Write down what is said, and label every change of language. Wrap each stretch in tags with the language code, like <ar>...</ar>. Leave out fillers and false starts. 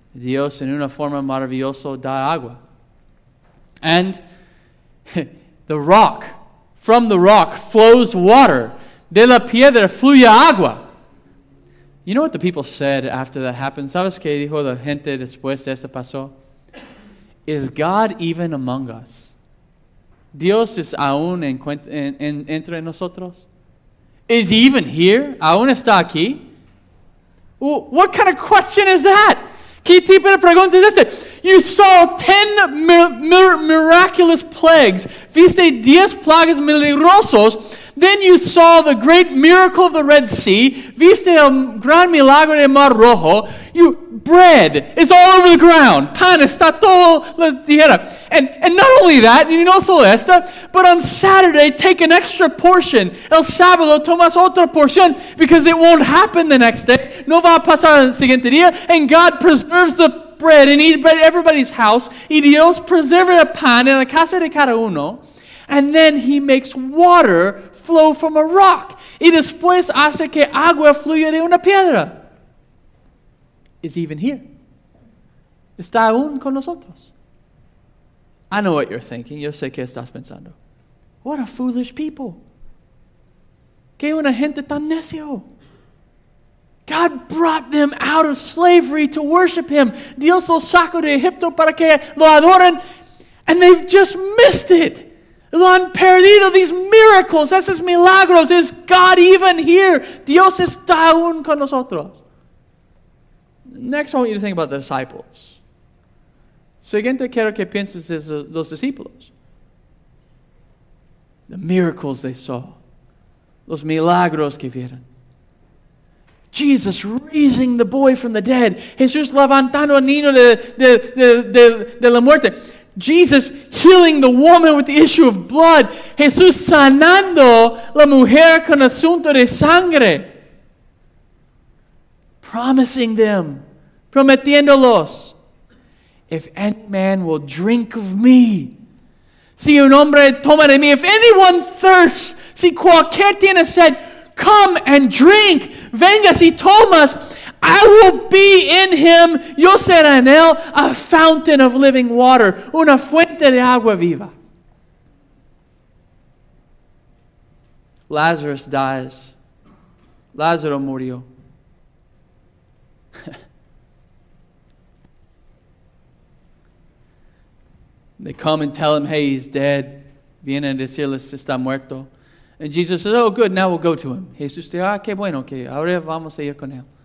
<es>Dios en una forma maravillosa da agua.</es> <en>And the rock, from the rock flows water.</en> <es>De la piedra fluye agua.</es> <en>You know what the people said after that happened?</en> <es>¿Sabes qué dijo la gente después de esto pasó?</es> <en>Is God even among us?</en> <es>¿Dios es aún entre nosotros?</es> <en>Is he even here?</en> <es>¿Aún está aquí?</es> <en>What kind of question is that?</en> <es>¿Qué tipo de pregunta es esta?</es> <en>You saw 10 miraculous plagues.</en> <es>Viste 10 plagas milagrosas.</es> <en>Then you saw the great miracle of the Red Sea.</en> <es>Viste el gran milagro del Mar Rojo.</es> <en>You bread is all over the ground.</en> <es>Pan está todo la tierra.</es> <en>And not only that,</en> <es>y no solo esta,</es> <en>but on Saturday, take an extra portion.</en> <es>El sábado, tomas otra porción</es> <en>because it won't happen the next day.</en> <es>No va a pasar el siguiente día.</es> <en>And God preserves the bread and eat bread at everybody's house.</en> <es>Y Dios preserva el pan en la casa de cada uno.</es> <en>And then he makes water flow from a rock.</en> <es>Y después hace que agua fluya de una piedra.</es> <en>Is he even here?</en> <es>¿Está aún con nosotros?</es> <en>I know what you're thinking.</en> <es>Yo sé qué estás pensando.</es> <en>What a foolish people.</en> <es>¿Qué una gente tan necio?</es> <en>God brought them out of slavery to worship him.</en> <es>Dios los sacó de Egipto para que lo adoren.</es> <en>And they've just missed it.</en> <es>Lo han perdido,</es> <en>these miracles,</en> <es>esos milagros.</es> <en>Is God even here?</en> <es>Dios está aún con nosotros.</es> <en>Next, I want you to think about the disciples.</en> <es>Siguiente quiero que pienses es los discípulos.</es> <en>The miracles they saw.</en> <es>Los milagros que vieron.</es> <en>Jesus raising the boy from the dead.</en> <es>Jesús levantando al niño de la muerte.</es> <en>Jesus healing the woman with the issue of blood.</en> <es>Jesús sanando la mujer con asunto de sangre.</es> <en>Promising them. Prometiéndolos. If any man will drink of me.</en> <es>Si un hombre toma de mí.</es> <en>If anyone thirsts.</en> <es>Si cualquier tiene sed.</es> <en>Come and drink.</en> <es>Venga si tomas.</es> <en>I will be in him,</en> <es>yo seré en él,</es> <en>a fountain of living water,</en> <es>una fuente de agua viva.</es> <en>Lazarus dies.</en> <es>Lázaro murió.</es> <en>They come and tell him, hey, he's dead.</en> <es>Viene a decirles, está muerto.</es> <en>And Jesus says, oh, good, now we'll go to him.</en> <es>Jesús dice, ah, qué bueno, que ahora vamos a ir con él.</es>